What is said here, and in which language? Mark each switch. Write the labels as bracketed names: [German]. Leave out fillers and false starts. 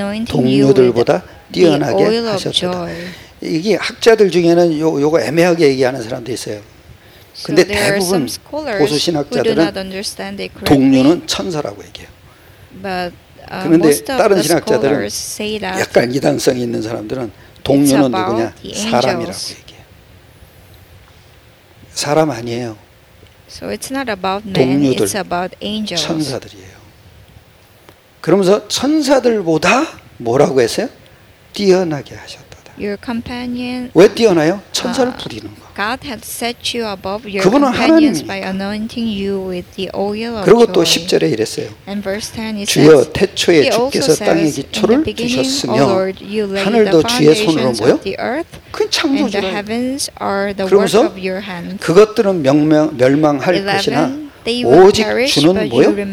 [Korean] 동료들보다 뛰어나게 하셨도다. 이게 학자들 중에는 요거 애매하게 얘기하는 사람도 있어요. 근데 대부분 보수 신학자들은 동료는 천사라고 얘기해요. [English] But [Korean] 그런데 다른 신학자들은 약간 이단성이 있는 사람들은 동료는 누구냐? 사람이라고 얘기해요. 사람 아니에요. [English] So it's not about men, [Korean] 동료들, [English] it's about angels. [Korean] 천사들이에요. 그러면서 천사들보다 뭐라고 했어요? 뛰어나게 하셨다. [English] Your companion, [Korean] 왜 뛰어나요? 천사를 부리는 거. [English] God has set you above your companions by anointing you with the oil of joy. [Korean] 그리고 또 10절에 이랬어요. [English] And verse 10 says, [Korean] 주여 태초에 주께서 땅의 기초를 두셨으며 하늘도 주의 손으로 뭐요? 그 창조주라. 그러면서 그것들은 멸망할 것이나 오직 주는 뭐요?